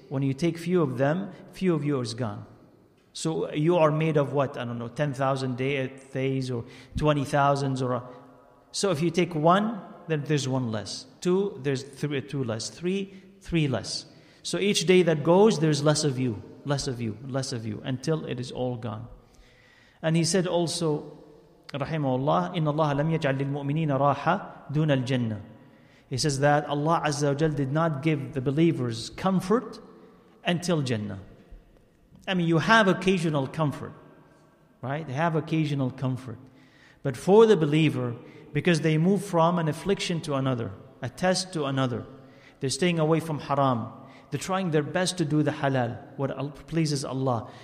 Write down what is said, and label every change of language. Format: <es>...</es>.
<en>When you take few of them, few of yours gone. So you are made of what? I don't know, 10,000 days or 20,000. So if you take one, then there's one less. Two, there's two less. Three less. So each day that goes, there's less of you, less of you, less of you, until it is all gone. And he said also, Rahimahullah,</en> <ar>إِنَّ اللَّهَ لَمْ يَجْعَلْ لِلْمُؤْمِنِينَ رَاحَةً دُونَ الْجَنَّةِ.</ar> <en>He says that Allah Azza wa Jal did not give the believers comfort until Jannah. I mean, you have occasional comfort, right? They have occasional comfort. But for the believer, because they move from an affliction to another, a test to another, they're staying away from haram, they're trying their best to do the halal, what pleases Allah.</en>